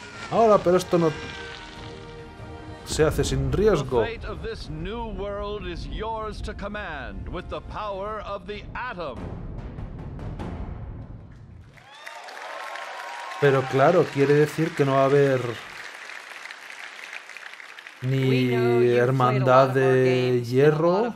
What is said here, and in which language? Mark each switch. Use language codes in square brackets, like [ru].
[es] Ahora, pero esto no se hace sin riesgo. [en] The fate of this new world is yours to command with the power of the atom. [es] Pero claro, quiere decir que no va a haber ni hermandad de hierro.